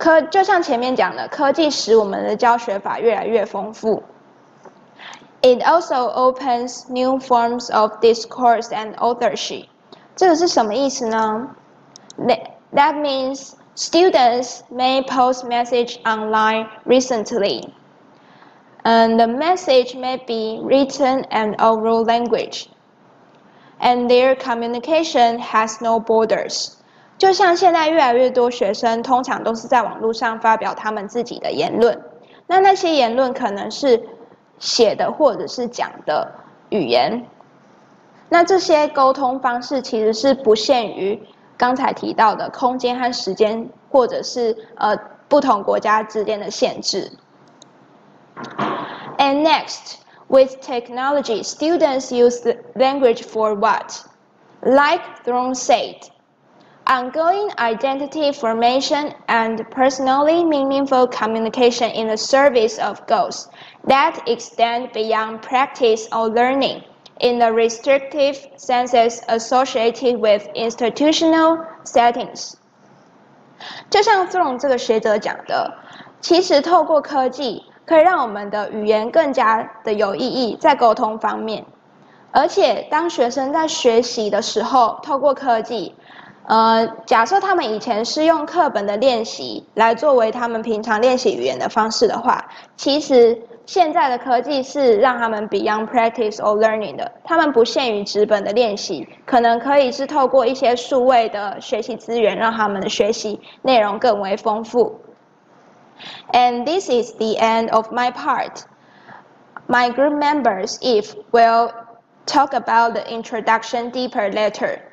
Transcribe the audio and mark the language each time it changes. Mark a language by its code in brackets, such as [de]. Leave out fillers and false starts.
[zh] 就像前面讲的，科技使我们的教学法越来越丰富。 [en] It also opens new forms of discourse and authorship. [zh] 这个是什么意思呢？ [en] That means students may post message online recently. And the message may be written in oral language. And their communication has no borders. [zh] 就像现在越来越多学生通常都是在网络上发表他们自己的言论，那那些言论可能是写的或者是讲的语言，那这些沟通方式其实是不限于刚才提到的空间和时间，或者是不同国家之间的限制。 [en] And next, with technology, students use language for what? Like Throne saidOngoing identity formation and personally meaningful communication in the service of goals that extend beyond practice or learning in the restrictive senses associated with institutional settings. [zh] 就像 Throne 这个学者讲的，其实透过科技可以让我们的语言更加的有意义在沟通方面，而且当学生在学习的时候透过科技，假设他们以前是用课本的练习来作为他们平常练习语言的方式的话，其实现在的科技是让他们 [en] beyond practice or learning [zh] 的，他们不限于纸本的练习，可能可以是透过一些数位的学习资源让他们的学习内容更为丰富。 [en] And this is the end of my part. My group members, Eve, will talk about the introduction deeper later.